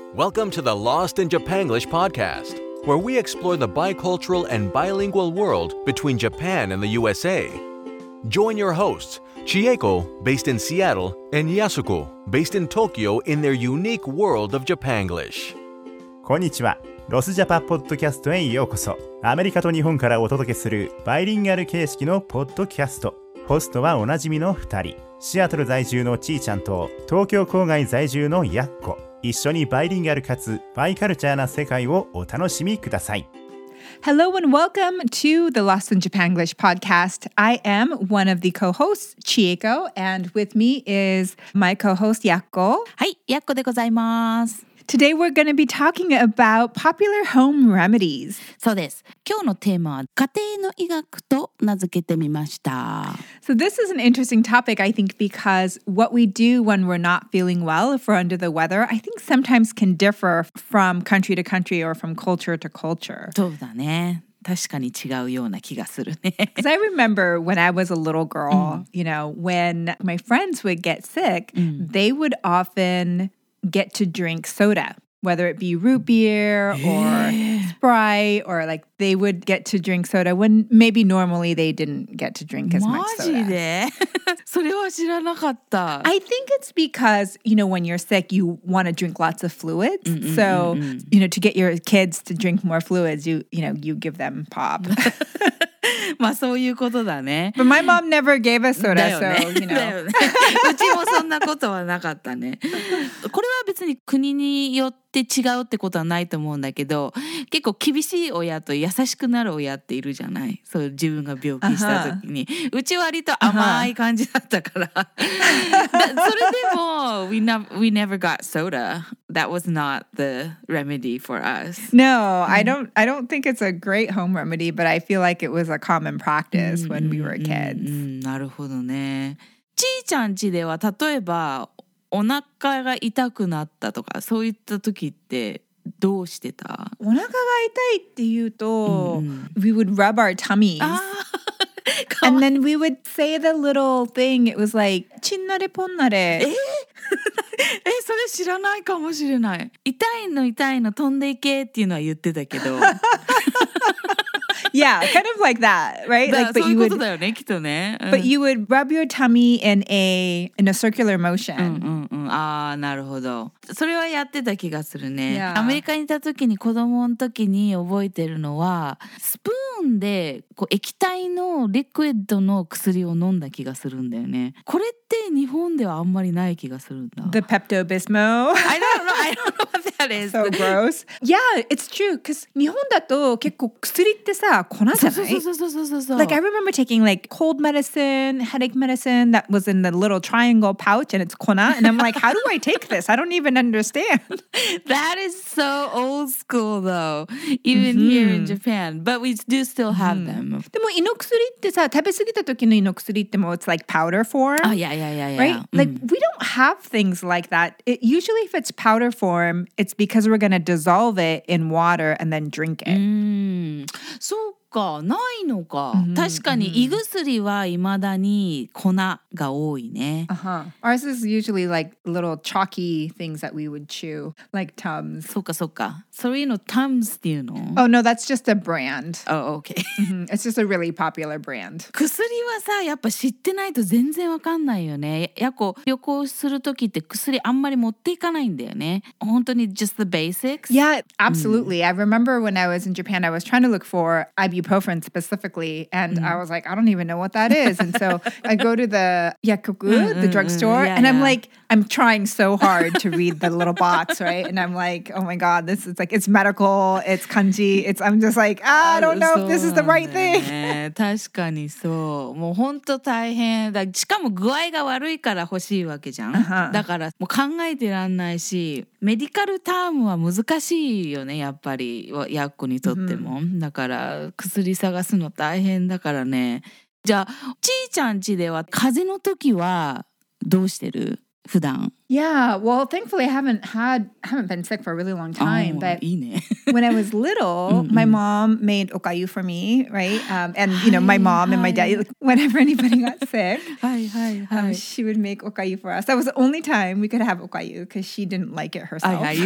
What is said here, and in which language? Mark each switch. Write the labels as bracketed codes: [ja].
[en] Welcome to the Lost in Japan English podcast, where we explore the bicultural and bilingual world between Japan and the USA. Join your hosts, Chieko, based in Seattle, and Yasuko, based in Tokyo, in their unique world of Japanglish. [ja] Konnichiwa. ロスジャパポッドキャストへようこそ。アメリカと日本からお届けするバイリンガル形式のポッドキャスト。ホストはおなじみの2人、シアトル在住のちーちゃんと東京郊外在住のやっこ。一緒にバイリンガルかつバイカルチャーな世界をお楽しみください。 [en] Hello and welcome to the Lost in Japan English podcast. I am one of the co-hosts, Chieko, and with me is my co-host, やっこ。 [ja] はい、やっこでございます。 [en] Today we're going to be talking about popular home remedies. [ja] そうです。今日のテーマは家庭の医学と名付けてみました。 [en] So this is an interesting topic, I think, because what we do when we're not feeling well, if we're under the weather, I think sometimes can differ from country to country or from culture to culture. [ja] そうだね。確かに違うような気がするね。 [en] Because I remember when I was a little girl, you know, when my friends would get sick, they would often... get to drink soda, whether it be root beer or Sprite, or like they would get to drink soda when maybe normally they didn't get to drink as much soda. [ja] マジで？それは知らなかった。 [en] I think it's because, you know, when you're sick, you want to drink lots of fluids. So, you know, to get your kids to drink more fluids, you give them pop. [ja] まあそういうことだね。 [en] But my mom never gave us soda, so, you know. [ja] うちもそんなことはなかったね。これは別に国によって違うってことはないと思うんだけど、結構厳しい親と優しくなる親っているじゃない。そう、自分が病気した時に。うち割と甘い感じだったから。それでも、 [en] we never got soda. That was not the remedy for us. No, I don't think it's a great home remedy, but I feel like it was a common practice when we were kids. [ja] なるほどね。ちーちゃん家では、例えば、お腹が痛くなったとか、そういった時って、どうしてた？お腹が痛いっていうと、 [en] we would rub our tummies. And then we would say the little thing. It was like, [ja] ちんなれぽんなれ。え、それ知らないかもしれない。痛いの痛いの飛んでいけっていうのは言ってたけど。 [en] Yeah, kind of like that, right? Like, but, [ja] そういうことだよね、きっとね。 [en] But you would rub your tummy in a circular motion. [ja] ああ、なるほど。それはやってた気がするね。アメリカにいた時に子供の時に覚えてるのは、スプーンでこう液体のリクエッドの薬を飲んだ気がするんだよね。これって日本ではあんまりない気がするんだ。 [en] The Pepto-Bismol? I don't know what that is. So gross. Yeah, it's true. Because [ja] 日本だと結構薬ってさ、粉じゃない？そう。 [en] Like, I remember taking like cold medicine, headache medicine that was in the little triangle pouch and it's 粉. And I'm like, how do I take this? I don't even understand. That is so old school though, even here in Japan. But we do still have them. [ja] でも胃の薬ってさ、食べ過ぎた時の胃の薬ってもう [en] it's like powder form. Oh, yeah. Right? Like, we don't have things like that. It, usually if it's powder form, it's because we're going to dissolve it in water and then drink it. [ja] So,かないのか、確かに胃薬は未だに粉が多いね。 [en] Ours is usually like little chalky things that we would chew, like Tums. [ja] そうか。それの Tums っていうの？ [en] Oh no, that's just a brand. Oh, okay. It's just a really popular brand. [ja] 薬はさ、やっぱ知ってないと全然わかんないよね。やこ、旅行するときって薬あんまり持っていかないんだよね。本当に [en] just the basics? Yeah, absolutely. I remember when I was in Japan, I was trying to look for... ibuprofen specifically, and I was like, I don't even know what that is. And so I go to the yakuku, the drugstore, and I'm like, I'm trying so hard to read the little box, right? And I'm like, oh my god, this is like, it's medical, it's kanji, it's, I'm just like, I don't know if this is the right thing. [ja] 確かにそう。もう本当大変だ。しかも具合が悪いから欲しいわけじゃん。だからもう考えてらんないし、メディカルタームは難しいよね、やっぱり、ヤッコにとっても。だから薬探すの大変だからね。じゃあ、ちーちゃん家では風邪の時はどうしてる？普段。 [en] Yeah, well, thankfully I haven't been sick for a really long time. あー、 but [ja] いいね。 [en] When I was little, my mom made okayu for me, right? And you know, my mom and my dad, whenever anybody got sick, she would make okayu for us. That was the only time we could have okayu because she didn't like it herself.